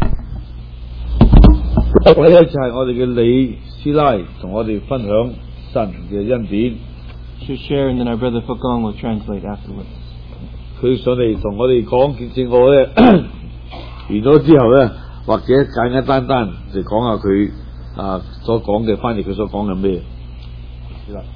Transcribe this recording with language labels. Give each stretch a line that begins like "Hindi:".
Chinese: 呢就是我们的李师奶跟我们分享神的恩典。
English: To share and then our brother Phuc Ong will translate afterwards.
Chinese: 他上来跟我们讲见证我呢完了之后呢或者简简单单就讲下他所讲的翻译他所讲的什么。